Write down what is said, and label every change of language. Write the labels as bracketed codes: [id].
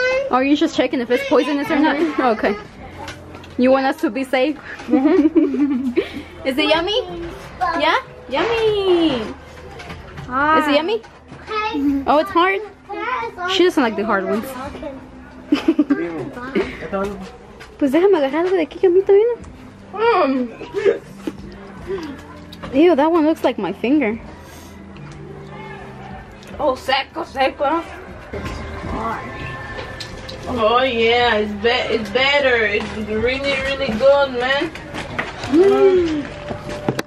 [en] Are you just checking if it's poisonous or not? Okay. You want us to be safe? Is it yummy? Yeah? Yummy! Ah. Is it yummy? Oh, it's hard? She doesn't like the hard ones. [es] Pues déjame agarrar algo de aquí, yumito, ¿no? [en] Ew, that one looks like my finger. [es] Oh, seco, seco. [en] It's hard. Oh yeah, it's better.